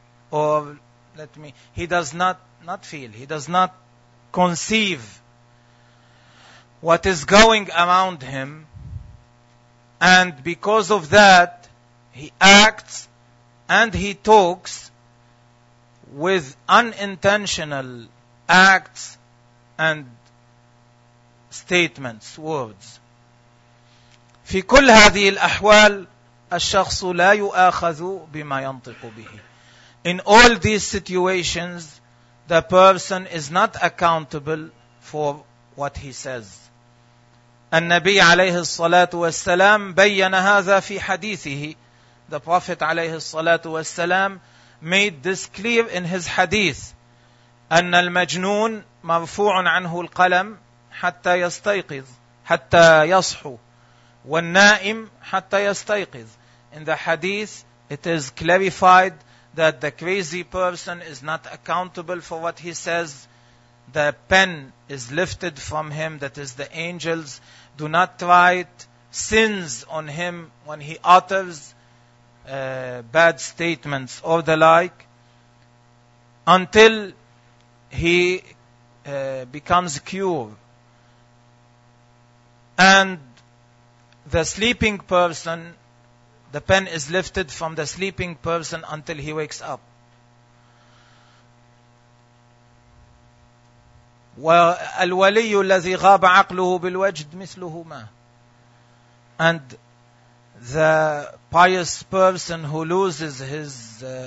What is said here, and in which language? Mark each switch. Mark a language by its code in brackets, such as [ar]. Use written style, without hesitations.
[en] Or let me, he does not feel, he does not conceive what is going around him, and because of that, he acts and he talks with unintentional acts and statements, words. [ar] في كل هذه الأحوال الشخص لا يؤاخذ بما ينطق به. [en] In all these situations, the person is not accountable for what he says. [ar] النبي عليه الصلاة والسلام بيّن هذا في حديثه. [en] The Prophet [ar] عليه الصلاة والسلام [en] made this clear in his hadith. [ar] أن المجنون مرفوع عنه القلم حتى يستيقظ حتى يصحو والنائم حتى يستيقظ. [en] In the hadith, it is clarified that the crazy person is not accountable for what he says. The pen is lifted from him, that is the angels do not write sins on him when he utters bad statements or the like until he becomes cured. And the sleeping person, the pen is lifted from the sleeping person until he wakes up. [ar] والولي الذي غاب عقله بالوجد مثلهما. [en] And the pious person who loses his